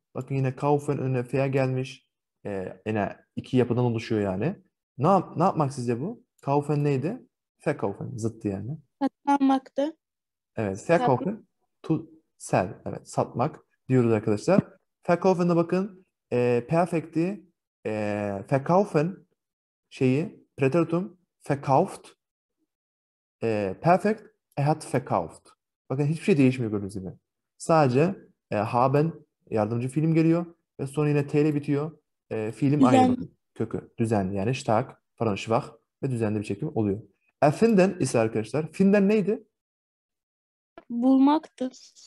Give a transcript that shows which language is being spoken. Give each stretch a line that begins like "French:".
Turkish: Bakın yine kaufen önüne fe gelmiş. Yine iki yapıdan oluşuyor yani. Ne yapmak sizce bu? Kaufen neydi? Verkaufen. Zıttı yani. Satmaktı. Evet. Verkaufen.
English: To sell.
Turkish: Evet. Satmak diyoruz arkadaşlar. Verkaufen'e bakın. Perfekti.
German: Verkaufen şeyi, preteritum, verkauft, perfect, er hat verkauft.
Turkish: Bakın hiçbir şey değişmiyor gördüğünüz gibi. Sadece haben, yardımcı fiilim geliyor ve sonra yine t ile bitiyor. Fiilim aynı. kökü. Düzen yani stark, pardon schwach ve düzenli bir çekim oluyor. Erfinden ise arkadaşlar, finden neydi? Bulmaktır.